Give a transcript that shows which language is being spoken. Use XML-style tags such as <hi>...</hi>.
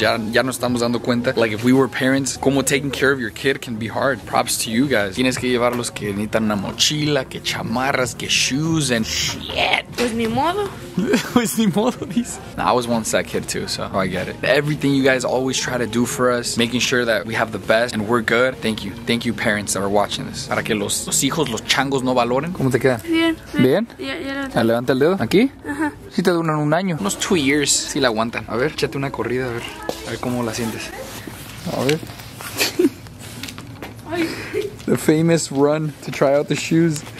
<es>Ya nos estamos dando cuenta.</es> <en>Like if we were parents, como taking care of your kid can be hard. Props to you guys.</en> <es>Tienes que llevarlos que necesitan una mochila, que chamarras, que</es> <en>shoes and shit.</en> <es>Pues ni modo. Pues ni modo, dice.</es> <en>No, I was once that kid too, so I get it. Everything you guys always try to do for us, making sure that we have the best and we're good. Thank you parents that are watching this.</en> <es>Para que los hijos, los changos no valoren. ¿Cómo te quedan? Bien. ¿Bien? Ya, levanta el dedo. ¿Aquí? Ajá. Sí te duran un año. Unos 2 years. Sí la aguantan. A ver, échate una corrida, a ver cómo la sientes. A ver.</es> <en>The famous run to try out the shoes.</en>